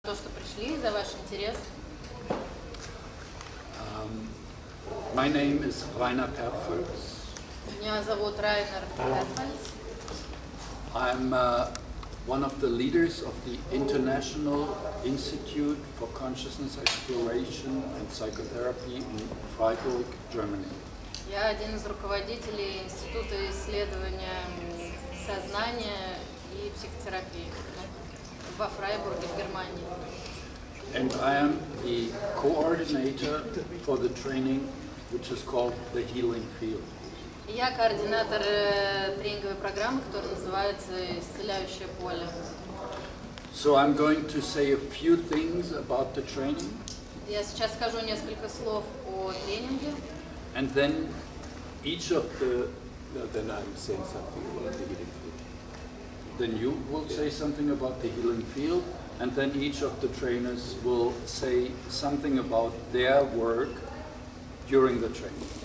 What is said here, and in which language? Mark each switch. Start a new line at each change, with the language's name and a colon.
Russian: то, что пришли, за ваш интерес.
English: My name is Rainer Perfels.
Russian: Меня зовут Райнер Перфельс.
English: I'm one of the leaders of the International Institute for Consciousness Exploration and Psychotherapy in Freiburg, Germany.
Russian: Я один из руководителей Института исследования сознания и психотерапии во Фрайбурге, в Германии.
English: And I am the coordinator for the training, which is called the Healing Field.
Russian: Я координатор тренинговой программы, которая называется «Исцеляющее поле».
English: So I'm going to say a few things about the training.
Russian: Я сейчас скажу несколько слов о тренинге.
English: And then each of the, then I'm saying something about the healing field. Then you will say something about the healing field, and then each of the trainers will say something about their work during the training.